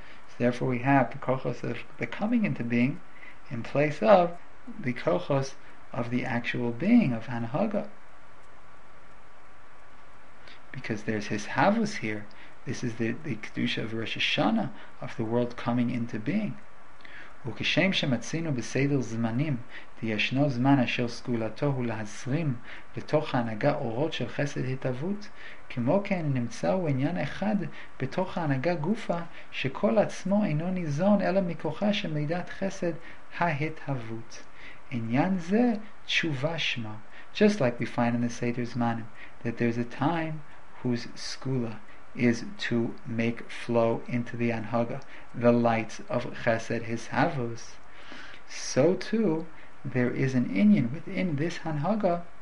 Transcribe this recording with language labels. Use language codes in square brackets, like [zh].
[en] So therefore we have the Kochos of the coming into being in place of the Kochos of the actual being of Hanhaga. Because there's Hishavus here. This is the Kedusha of Rosh Hashanah of the world coming into being. [he] וכשם שמצינו בסדר זמנים, דישנו זמן אשר סגולתו הוא להזרים לתוך ההנהגה אורות של חסד התאבות, כמו כן נמצאו עניין אחד בתוך ההנהגה גופה שכל עצמו אינו ניזון אלא מכוחה של מידת חסד ההתאבות. עניין זה תשובה שמה. [en] Just like we find in the Seder Zmanim, that there's a time whose skula is to make flow into the Anhaga, the light of Chesed Hishavos. So too, there is an inyan within this Anhaga